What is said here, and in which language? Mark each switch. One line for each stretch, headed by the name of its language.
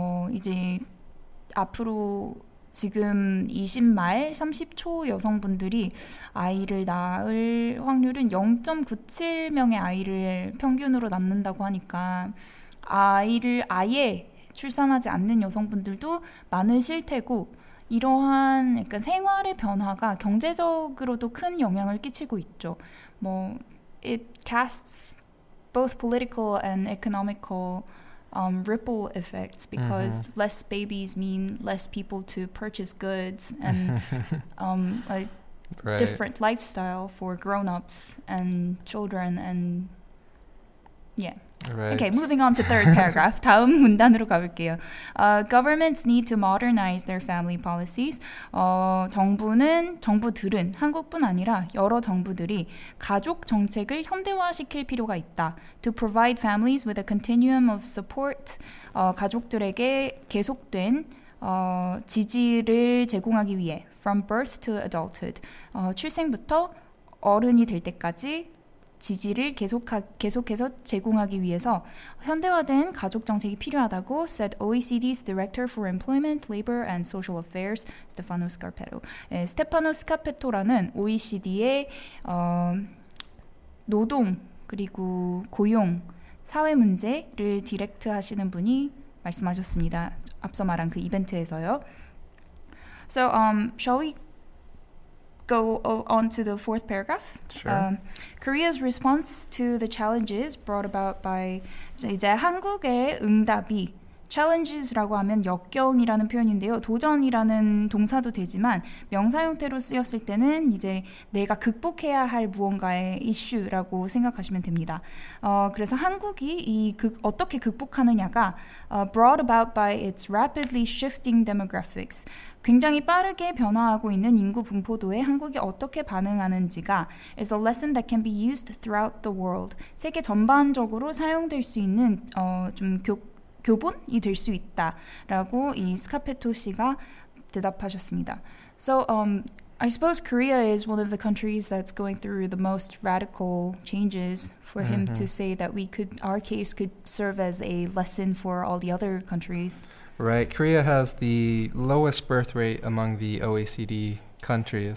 Korean: 이제 앞으로 지금 20말, 30초 여성분들이 아이를 낳을 확률은 0.97명의 아이를 평균으로 낳는다고 하니까 아이를 아예 출산하지 않는 여성분들도 많으실 테고 이러한 약간 생활의 변화가 경제적으로도 큰 영향을 끼치고 있죠. 뭐
English: it casts both political and economical ripple effects because mm-hmm. less babies mean less people to purchase goods and a right. different lifestyle for grown-ups and children and yeah. Right. Okay, moving on to third paragraph.
Korean: 다음 문단으로 가볼게요.
English: Governments need to modernize their family policies.
Korean: 정부들은 한국뿐 아니라 여러 정부들이 가족 정책을 현대화시킬 필요가 있다.
English: To provide families with a continuum of support.
Korean: 가족들에게 계속된 지지를 제공하기 위해 from birth to adulthood. 출생부터 어른이 될 때까지
English: 지지를 계속해서 제공하기 위해서 현대화된 가족 정책이 필요하다고 said OECD's Director for Employment, Labor and Social Affairs, Stefano Scarpetto.
Korean: 예, 스테파노 스카페토라는 OECD의 노동 그리고 고용 사회 문제를 디렉트 하시는 분이 말씀하셨습니다. 앞서 말한 그 이벤트에서요.
English: So, shall we go on to the fourth paragraph? Sure. Korea's response to the challenges brought about by 이제 한국의 응답이 challenges라고 하면 역경이라는 표현인데요.
Korean: 도전이라는 동사도 되지만 명사 형태로 쓰였을 때는 이제 내가 극복해야 할 무언가의 이슈라고 생각하시면 됩니다.
English: 그래서 한국이 어떻게 극복하느냐가 brought about by its rapidly shifting demographics. 굉장히 빠르게 변화하고 있는 인구 분포도에 한국이 어떻게 반응하는지가 is a lesson that can be used throughout the world.
Korean: 세계 전반적으로 사용될 수 있는 좀 교본이 될 수 있다라고 이 스카페토 씨가 대답하셨습니다.
English: So I suppose Korea is one of the countries that's going through the most radical changes for him mm-hmm. to say that we could our case could serve as a lesson for all the other countries. Right. Korea has the lowest birth rate among the OECD countries,